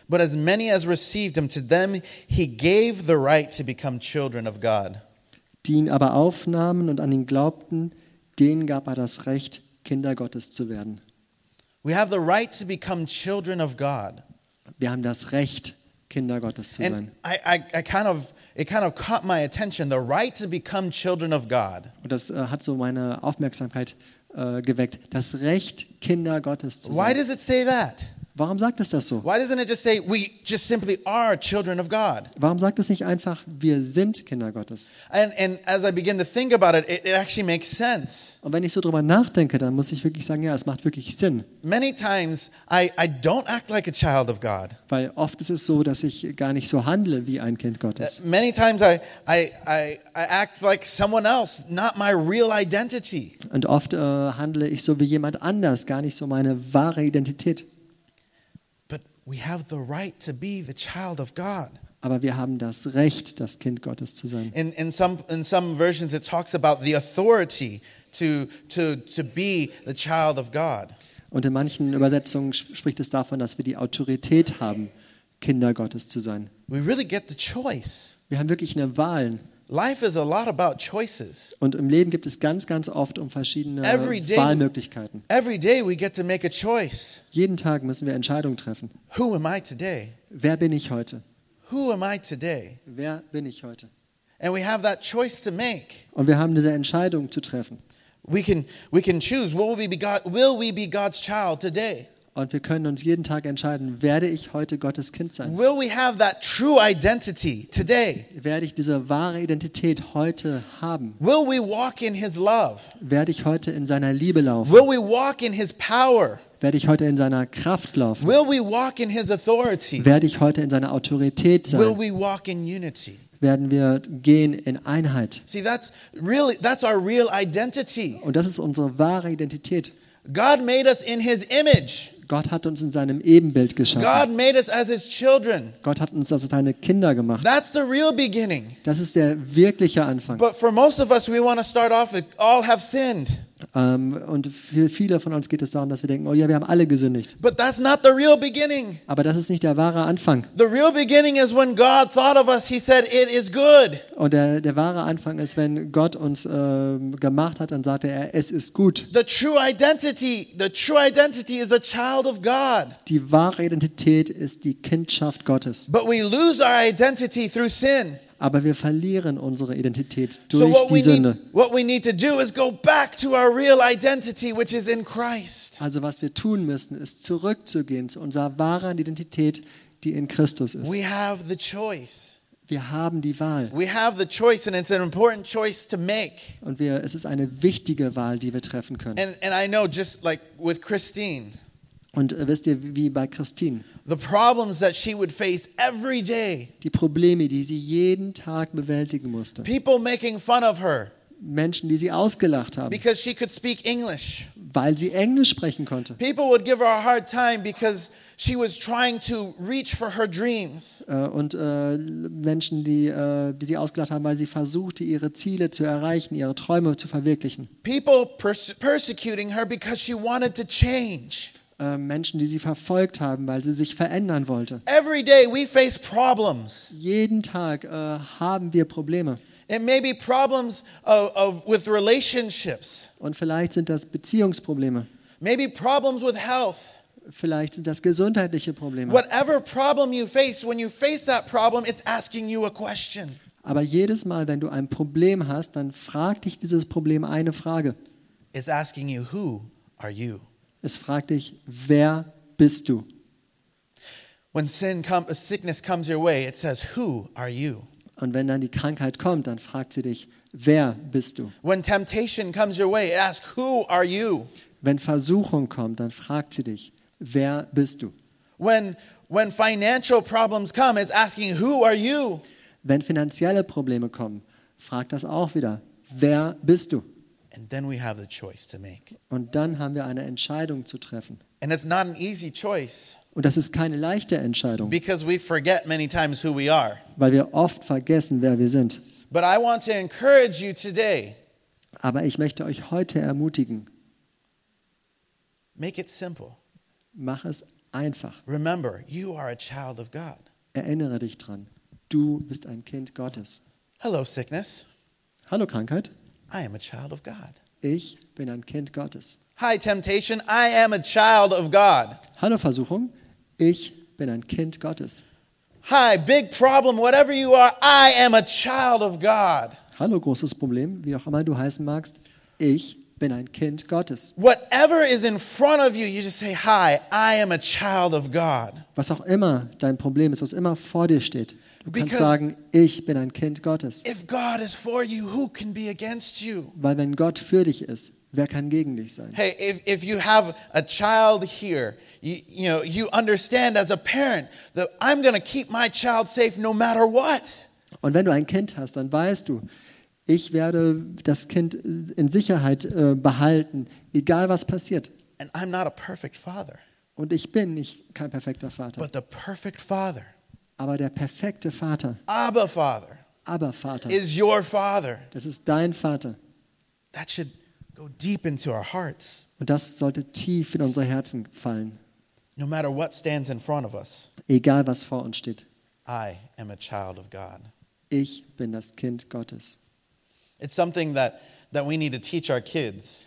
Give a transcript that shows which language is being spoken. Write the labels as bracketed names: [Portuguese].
[English] But as many as received him, to them he gave the right to become children of God. [German] Die ihn aber aufnahmen und an ihn glaubten, denen gab er das Recht, Kinder Gottes zu werden. [English] We have the right to become children of God. [German] Wir haben das Recht, Kinder Gottes zu sein. [English] It kind of caught my attention, the right to become children of God. [German] Und das hat so meine Aufmerksamkeit geweckt, das Recht, Kinder Gottes zu sein. [English] Why does it say that? [German] Warum sagt es das so? [English] Why doesn't it just say we just simply are children of God? [German] Warum sagt es nicht einfach, wir sind Kinder Gottes? [English] And as I begin to think about it, it actually makes sense. [German] Und wenn ich so drüber nachdenke, dann muss ich wirklich sagen, ja, es macht wirklich Sinn. [English] Many times I don't act like a child of God. [German] Weil oft ist es so, dass ich gar nicht so handle wie ein Kind Gottes. [English] Many times I act like someone else, not my real identity. [German] Und oft handle ich so wie jemand anders, gar nicht so meine wahre Identität. [English] We have the right to be the child of God. [German] Aber wir haben das Recht, das Kind Gottes zu sein. [English] In some versions it talks about the authority to be the child of God. [German] Und in manchen Übersetzungen spricht es davon, dass wir die Autorität haben, Kinder Gottes zu sein. [English] We really get the choice. [German] Wir haben wirklich eine Wahl. [English] Life is a lot about choices. [German] Und im Leben gibt es ganz, ganz oft um verschiedene Wahlmöglichkeiten. [English] Every day we get to make a choice. [German] Jeden Tag müssen wir Entscheidungen treffen. [English] Who am I today? [German] Wer bin ich heute? [English] Who am I today? [German] Wer bin ich heute? [English] And we have that choice to make. [German] Und wir haben diese Entscheidung zu treffen. [English] We can choose. Will we be God's child today? [German] Und wir können uns jeden Tag entscheiden, werde ich heute Gottes Kind sein? [English] Will we have that true identity today? [German] Werde ich diese wahre Identität heute haben? [English] Will we walk in his love? [German] Werde ich heute in seiner Liebe laufen? [English] Will we walk in his power? [German] Werde ich heute in seiner Kraft laufen? [English] Will we walk in his authority? [German] Werde ich heute in seiner Autorität sein? [English] Will we walk in unity? [German] Werden wir gehen in Einheit? [English] See, that's our real identity. [German] Und das ist unsere wahre Identität. [English] God made us in his image. [German] Gott hat uns in seinem Ebenbild geschaffen. [English] God made us as his children. [German] Gott hat uns als seine Kinder gemacht. [English] That's the real beginning. [German] Das ist der wirkliche Anfang. [English] But for most of us we want to start off with all have sinned. [German] Und für viele von uns geht es darum, dass wir denken, oh ja, wir haben alle gesündigt. [English] But that's not the real beginning. [German] Aber das ist nicht der wahre Anfang. [English] The real beginning is when God thought of us, he said it is good. [German] Und der wahre Anfang ist, wenn Gott uns gemacht hat, dann sagte er, es ist gut. [English] The true identity is a child of God. [German] Die wahre Identität ist die Kindschaft Gottes. [English] But we lose our identity through sin. [German] Aber wir verlieren unsere Identität durch die Sünde. [English] What we need to do is go back to our real identity, which is in Christ. [German] Also was wir tun müssen, ist zurückzugehen zu unserer wahren Identität, die in Christus ist. [English] We have the choice. [German] Wir haben die Wahl. [English] We have the choice, and it's an important choice to make. [German] Und es ist eine wichtige Wahl, die wir treffen können. [English] And I know, just like with Christine. [German] Und wisst ihr, wie bei Christine? [English] The problems that she would face every day. [German] Die Probleme, die sie jeden Tag bewältigen musste. [English] People making fun of her. [German] Menschen, die sie ausgelacht haben. [English] Because she could speak English. [German] Weil sie Englisch sprechen konnte. [English] People would give her a hard time because she was trying to reach for her dreams. [German] Menschen, die sie ausgelacht haben, weil sie versuchte, ihre Ziele zu erreichen, ihre Träume zu verwirklichen. [English] People persecuting her because she wanted to change. [German] Menschen, die sie verfolgt haben, weil sie sich verändern wollte. [English] Every day we face problems. [German] Jeden Tag haben wir Probleme. [English] It may be problems of with relationships. [German] Und vielleicht sind das Beziehungsprobleme. [English] Maybe problems with health. [German] Vielleicht sind das gesundheitliche Probleme. [English] Whatever problem you face, when you face that problem, it's asking you a question. [German] Aber jedes Mal, wenn du ein Problem hast, dann fragt dich dieses Problem eine Frage. [English] It's asking you, who are you? [German] Es fragt dich, wer bist du? [English] When sickness comes your way, it says, who are you? [German] Und wenn dann die Krankheit kommt, dann fragt sie dich, wer bist du? [English] When temptation comes your way, it asks, who are you? [German] Wenn Versuchung kommt, dann fragt sie dich, wer bist du? [English] When financial problems come, it's asking, who are you? [German] Wenn finanzielle Probleme kommen, Frag das auch wieder. Wer bist du? [English] And then we have the choice to make. [German] Und dann haben wir eine Entscheidung zu treffen. [English] And it's not an easy choice. [German] Und das ist keine leichte Entscheidung. [English] Because we forget many times who we are. [German] Weil wir oft vergessen, wer wir sind. [English] But I want to encourage you today. [German] Aber ich möchte euch heute ermutigen. [English] Make it simple. [German] Mach es einfach. [English] Remember, you are a child of God. [German] Erinnere dich dran. Du bist ein Kind Gottes. [English] Hello, sickness. [German] Hallo, Krankheit. [English] I am a child of God. [German] Ich bin ein Kind Gottes. [English] Hi, temptation. I am a child of God. [German] Hallo, Versuchung. Ich bin ein Kind Gottes. [English] Hi, big problem. Whatever you are, I am a child of God. [German] Hallo, großes Problem. Wie auch immer du heißen magst, ich bin ein Kind Gottes. [English] Whatever is in front of you, you just say, hi, I am a child of God. [German] Was auch immer dein Problem ist, was immer vor dir steht, du kannst sagen, ich bin ein Kind Gottes. [English] If God is for you, who can be against you? [German] Weil wenn Gott für dich ist, wer kann gegen dich sein? [English] Hey, if you have a child here, you understand as a parent that I'm going to keep my child safe no matter what. [German] Und wenn du ein Kind hast, dann weißt du, ich werde das Kind in Sicherheit behalten, egal was passiert. [English] And I'm not a perfect father. [German] Und ich bin nicht kein perfekter Vater. [English] But the perfect father. [German] Aber der perfekte Vater. [English] Abba Father. [German] Abba Vater. [English] Is your father. [German] Das ist dein Vater. [English] That should go deep into our hearts. [German] Und das sollte tief in unsere Herzen fallen. [English] No matter what stands in front of us. [German] Egal was vor uns steht. [English] I am a child of God. [German] Ich bin das Kind Gottes. [English] It's something that we need to teach our kids.